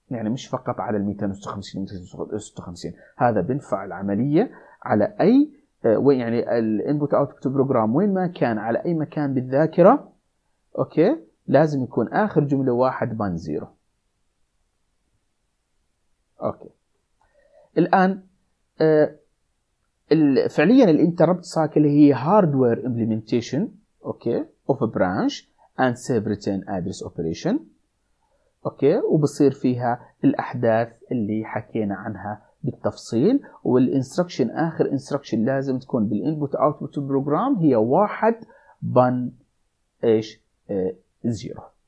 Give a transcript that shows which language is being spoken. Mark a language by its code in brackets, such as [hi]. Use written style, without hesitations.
[ar] يعني مش فقط على ال 256 256، هذا بينفع العملية على أي وين، يعني ال input output program وين ما كان على أي مكان بالذاكرة. أوكي لازم يكون آخر جملة واحد بان زيرو. أوكي الآن فعليا ال [en] interrupt cycle هي hardware implementation okay of a branch and save return address operation. [ar] أوكي وبصير فيها الأحداث اللي حكينا عنها بالتفصيل، والإنستركشن آخر إنستركشن لازم تكون بالإنبوت أوتبوت بروجرام هي واحد بن إيش زيرو.